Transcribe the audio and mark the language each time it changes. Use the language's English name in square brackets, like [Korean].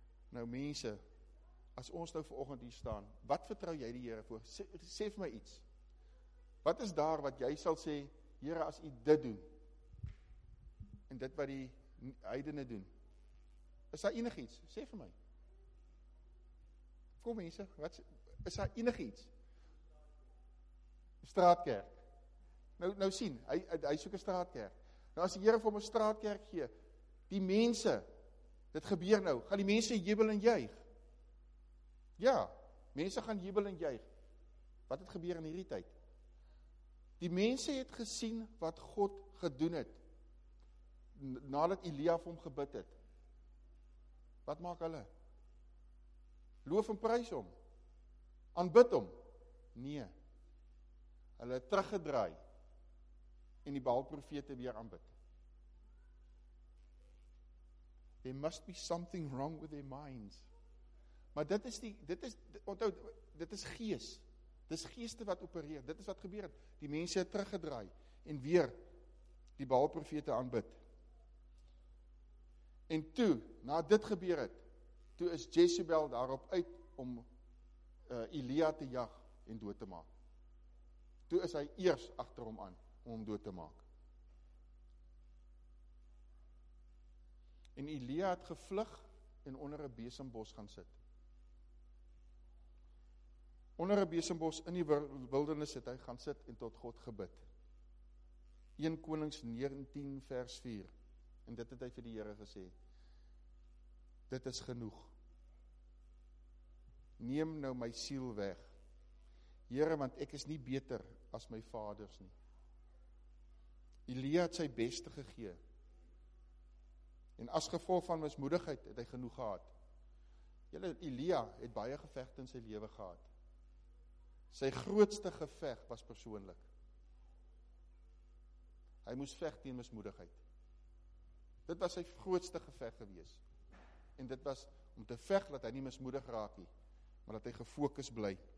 [Afrikaans] Nou mense, as ons nou vanoggend hier staan, wat vertrou jy die Here voor? Sê vir my iets. Wat is daar wat jy sal sê, Here, as u dit doen, en dit wat die heidene doen, is daar enig iets? Sê vir my. Kom mense, wat is daar enig iets? Straatkerk. Nou sien, hy soek 'n straatkerk. Nou as die Here vir my 'n straatkerk gee, die mense, dit gebeur nou, gaan die mense jubel en juig? Ja, mense gaan jubel en juig. Wat het gebeur in hierdie tyd? Die mense het gesien wat God gedoen het, nadat Elia vir hom gebid het. Wat maak hulle? Loof en prys hom. Aanbid hom. Nee. Hulle het teruggedraai en die Baal-profete weer aanbid. [English] There must be something wrong with their minds. [Afrikaans] Maar dit is gees. Dis geeste wat opereer. Dit is wat gebeur het. Die mense het teruggedraai en weer die Baal-profete aanbid. En toe, na dit gebeur het, toe is Jezebel daarop uit om Elia te jag en dood te maak. Toe is hy eers agter hom aan om hom dood te maak. En Elia het gevlug en onder 'n besembos gaan sit. Onder 'n besembos in die wildernis het hy gaan sit en tot God gebid. 1 Konings 19 vers 4. En dit het hy vir die Here gesê. Dit is genoeg. Neem nou my siel weg. Here, want ek is nie beter as my vaders nie. Elia het sy beste gegee. En as gevolg van mismoedigheid het hy genoeg gehad. Julle, Elia het baie gevegte in sy lewe gehad. Sy grootste geveg was persoonlik. Hy moes veg teen mismoedigheid. Dit was sy grootste geveg gewees. En dit was om te veg dat hy nie mismoedig raak nie, maar dat hy gefokus bly.